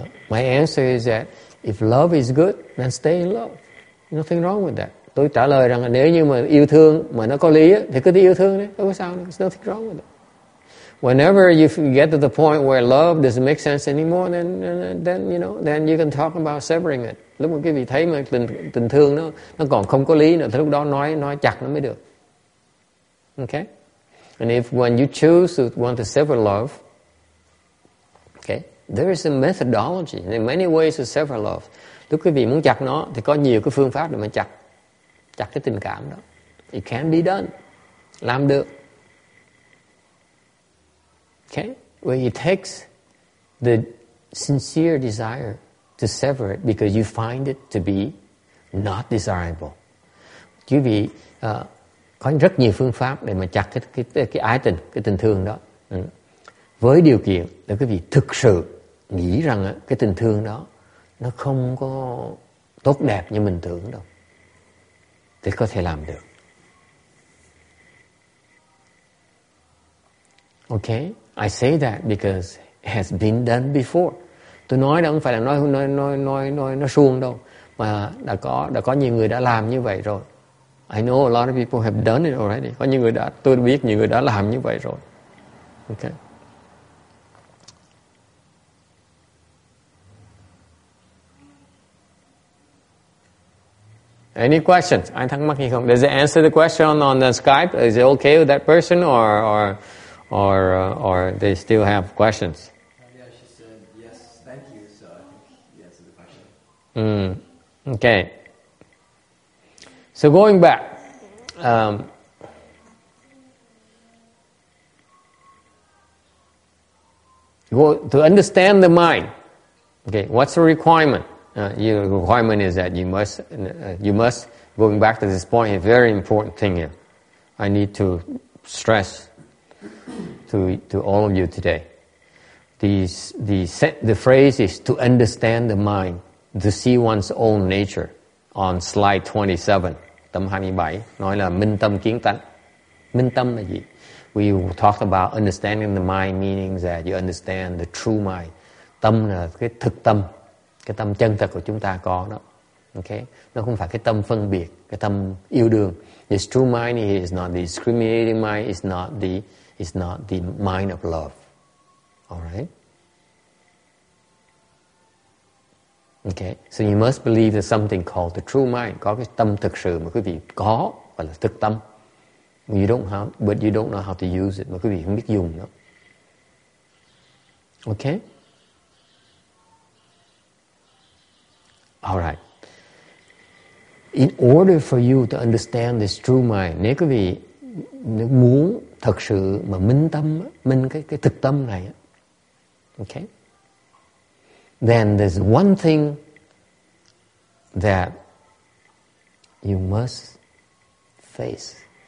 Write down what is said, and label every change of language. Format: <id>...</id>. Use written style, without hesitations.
<en>My answer is that if love is good, then stay in love. Nothing wrong with that.</en> <vi>Tôi trả lời rằng là nếu như mà yêu thương mà nó có lý thì cứ đi yêu thương đấy. Đâu có sao,</vi> <en>there's nothing wrong with it. Whenever you get to the point where love doesn't make sense anymore, then you can talk about severing it.</en> <vi>Lúc mà quý vị thấy mà tình thương nó còn không có lý nữa, thì lúc đó nói chặt nó mới được.</vi> <en>Okay? And if when you choose to want to sever love, okay, there is a methodology. There are many ways to sever love.</en> <vi>Lúc quý vị muốn chặt nó, thì có nhiều cái phương pháp để mà chặt cái tình cảm đó.</vi> <en>It can be done.</en> <vi>Làm được.</vi> <en>Okay, where it takes the sincere desire to sever it because you find it to be not desirable.</en> <vi>Quý vị có rất nhiều phương pháp để mà chặt cái ái tình, cái tình thương đó. Với điều kiện là quý vị thực sự nghĩ rằng cái tình thương đó nó không có tốt đẹp như mình tưởng đâu, thì có thể làm được.</vi> <en>Okay. I say that because it has been done before.</en> <vi>Tôi nói đó không phải là nói nó suông đâu, mà đã có nhiều người đã làm như vậy rồi.</vi> <en>I know a lot of people have done it already.</en> <vi>Có nhiều người đã, tôi biết nhiều người đã làm như vậy rồi.</vi> <en>Okay. Any questions?</en> <vi>Ai thắc mắc gì không?</vi> <en>Does it answer the question on the Skype? Is it okay with that person or they still have questions? Yeah, she said yes, thank you. So I think he answered the question. Okay. So going back, to understand the mind. Okay, what's the requirement? Your requirement is that you must. Going back to this point, a very important thing here. I need to stress to all of you today. The phrase is to understand the mind, to see one's own nature. On slide 27,</en> <vi>tâm 27, nói là minh tâm kiến tánh. Minh tâm là gì?</vi> <en>We talked about understanding the mind, meaning that you understand the true mind.</en> <vi>Tâm là cái thực tâm, cái tâm chân thật của chúng ta có đó. Okay? Nó không phải cái tâm phân biệt, cái tâm yêu đương.</vi> <en>This true mind is not the discriminating mind, it's not the mind of love. All right? Okay. So you must believe there's something called the true mind.</en> <vi>Có cái tâm thực sự mà quý vị có, gọi là thực tâm.</vi> <en>But you don't know how to use it.</en> <vi>Mà quý vị không biết dùng nó.</vi> <en>Okay? All right. In order for you to understand this true mind,</en> <vi>nếu quý vị muốn thật sự mà minh tâm, minh cái thực tâm này,</vi> <en>okay, then there's one thing that you must face.</en>